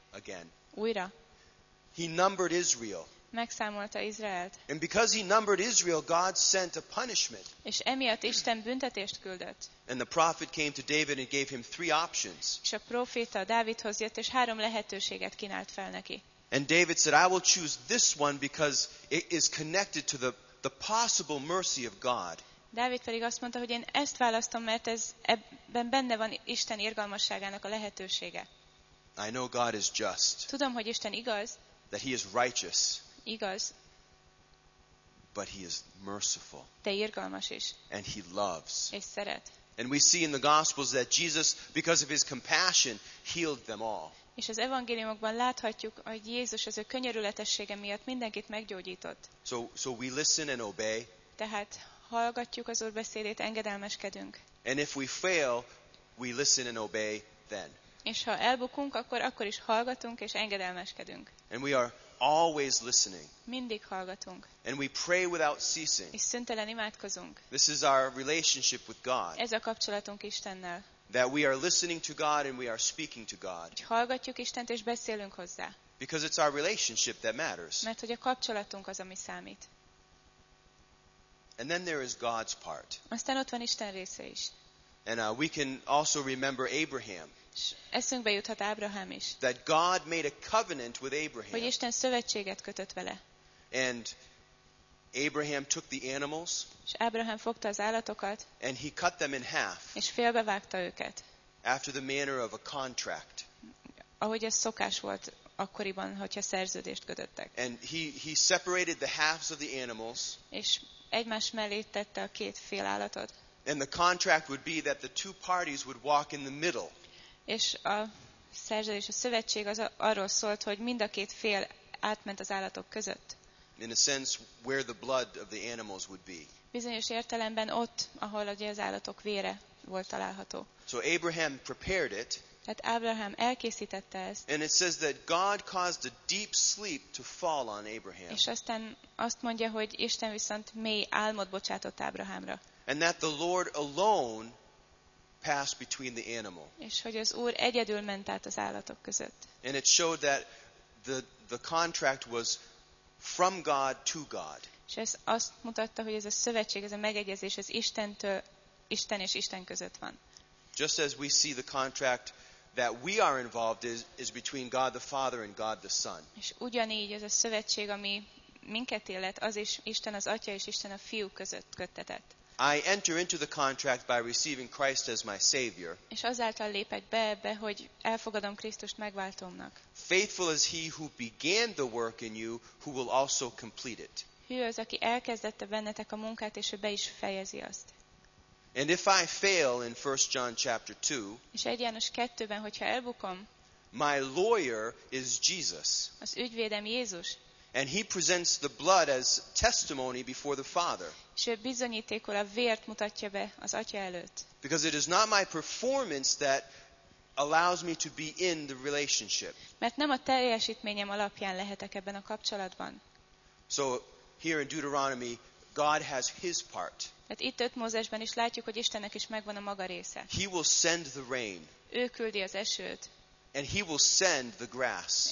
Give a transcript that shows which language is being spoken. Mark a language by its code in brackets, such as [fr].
[en] Again. [hu] Újra. [en] He numbered Israel. [hu] Megszámolta Izraelt. [en] And because he numbered Israel, God sent a punishment. [hu] És emiatt Isten büntetést küldött. [en] And the prophet came to David and gave him three options. [hu] És a proféta Dávidhoz jött és három lehetőséget kínált fel neki. [en] And David said, I will choose this one because it is connected to the possible mercy of God. [hu] Dávid pedig azt mondta, hogy én ezt választom, mert ez ebben benne van Isten irgalmasságának a lehetősége. [en] I know God is just. [hu] Tudom, hogy Isten igaz. [en] That he is righteous. [hu] Igaz. [en] But he is merciful. [hu] De irgalmas is. [en] And he loves. [hu] És szeret. [en] And we see in the Gospels that Jesus, because of his compassion, healed them all. [hu] És az evangéliumokban láthatjuk, hogy Jézus az ő könyörületessége miatt mindenkit meggyógyított. [en] So we listen and obey. [hu] Tehát hallgatjuk az Úr beszédét, engedelmeskedünk. [en] And if we fail, we listen and obey then. [hu] És ha elbukunk, akkor is hallgatunk és engedelmeskedünk. [en] And we are always listening. [hu] Mindig hallgatunk. [en] And we pray without ceasing. [hu] És szüntelen imádkozunk. [en] This is our relationship with God. [hu] Ez a kapcsolatunk Istennel. [en] That we are listening to God and we are speaking to God. [hu] Hallgatjuk Istent és beszélünk hozzá. [en] Because it's our relationship that matters. [hu] Mert hogy a kapcsolatunk az, ami számít. [en] And then there is God's part. [hu] Aztán ott van Isten része is. [en] And we can also remember Abraham. [hu] Eszünkbe juthat Ábrahám is. [en] That God made a covenant with Abraham. [hu] Hogy Isten szövetséget kötött vele. [en] And Abraham took the animals. [hu] És Ábrahám fogta az állatokat. [en] And he cut them in half. [hu] És félbevágta őket. [en] After the manner of a contract. [hu] Ahogy ez szokás volt akkoriban, hogyha szerződést kötöttek. [en] And he separated the halves of the animals. [hu] És egymás mellé tette a két fél állatot. [en] And the contract would be that the two parties would walk in the middle. [hu] És a szerződés, a szövetség az arról szólt, hogy mind a két fél átment az állatok között. [en] In a sense, where the blood of the animals would be. [hu] Bizonyos értelemben ott, ahol az állatok vére volt található. [en] So Abraham prepared it. [hu] Tehát Ábrahám elkészítette ezt. [en] And it says that God caused a deep sleep to fall on Abraham. [hu] És aztán azt mondja, hogy Isten viszont mély álmot bocsátott Ábrahámra. [en] And that the Lord alone passed between the animal. [hu] És hogy az Úr egyedül ment át az állatok között. [en] And it showed that the contract was from God to God. [hu] És ez azt mutatta, hogy ez a szövetség, ez a megegyezés, ez Istentől, Isten és Isten között van. [en] Just as we see the contract that we are involved is between God the Father and God the Son. [hu] És ugyanígy ez a szövetség, ami minket illet, az is Isten az Atya és Isten a Fiú között kötetett. [en] I enter into the contract by receiving Christ as my Savior. [hu] És azáltal lépek be ebbe, hogy elfogadom Krisztust megváltómnak. [en] Faithful is he who began the work in you, who will also complete it. [hu] Hű az, aki elkezdette bennetek a munkát, és ő be is fejezi azt. [en] And if I fail in 1 John chapter 2, [hu] és 1 János 2-ben, hogyha elbukom, [en] my lawyer is Jesus. [hu] Az ügyvédem Jézus. [en] And he presents the blood as testimony before the Father. [hu] És ő bizonyítékul a vért mutatja be az Atya előtt. [en] Because it is not my performance that allows me to be in the relationship. [hu] Mert nem a teljesítményem alapján lehetek ebben a kapcsolatban. [en] So here in Deuteronomy, God has his part. [hu] Tehát itt 5 Mózesben is látjuk, hogy Istennek is megvan a maga része. [en] He will send the rain. [hu] Ő küldi az esőt. [en] And he will send the grass.